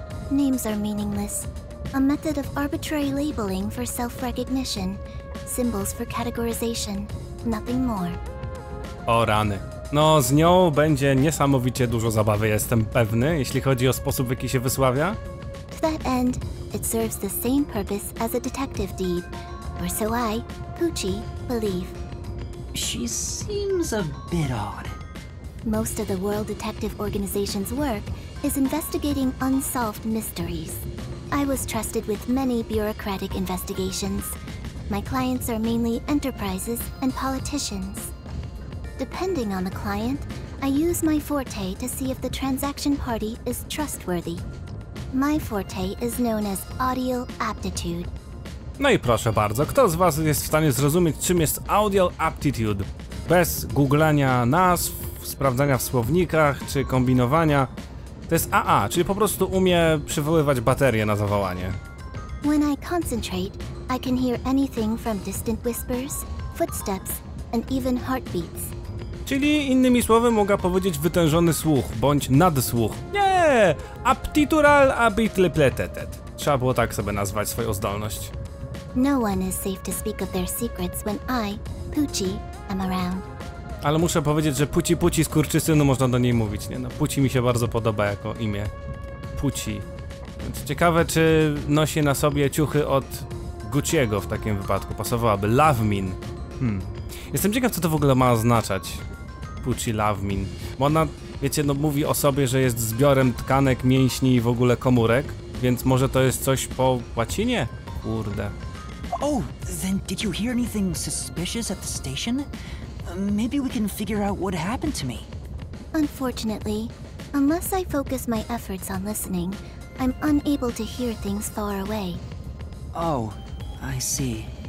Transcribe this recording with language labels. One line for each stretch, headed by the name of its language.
English: Names are meaningless. A method of arbitrary labeling for self-recognition. Symbols for categorization, nothing more.
Polish: O rany. No, z nią będzie niesamowicie dużo zabawy, jestem pewny, jeśli chodzi o sposób, w jaki się wysławia.
English: To that end, it serves the same purpose as a detective deed. Or so I, Poochie, believe. She seems a bit odd. Most of the World Detective Organization's work is investigating unsolved mysteries. I was trusted with many bureaucratic investigations. My clients are mainly enterprises and politicians. Depending on the client, I use my forte to see if the transaction party is trustworthy. My forte is known as audio aptitude.
Polish: No i proszę bardzo, kto z was jest w stanie zrozumieć, czym jest audio aptitude? Bez googlania nazw, sprawdzania w słownikach, czy kombinowania. To jest AA, czyli po prostu umie przywoływać baterie na zawołanie.
English: When I concentrate, I can hear anything from distant whispers, footsteps, and even heartbeats.
Polish: Czyli innymi słowy mogę powiedzieć wytężony słuch, bądź nadsłuch. Nie! Aptitural abitlepletetet. Trzeba było tak sobie nazwać swoją zdolność.
English: No one is safe to speak of their secrets when I, Poochie, am around.
Polish: Ale muszę powiedzieć, że Puci skurczysynu można do niej mówić, nie? No Puci mi się bardzo podoba jako imię. Puci. Więc ciekawe, czy nosi na sobie ciuchy od... Gucciego w takim wypadku pasowałaby. Lawmin. Jestem ciekaw, co to w ogóle ma oznaczać. Pucci Lawmin. Bo ona, wiecie, no mówi o sobie, że jest zbiorem tkanek, mięśni i w ogóle komórek. Więc może to jest coś po łacinie? Kurde.
English: Oh, then did you hear anything suspicious at the station? Maybe we can figure out what happened to me. Unfortunately, unless I focus my efforts on listening, I'm unable to hear things far away. Oh. I see.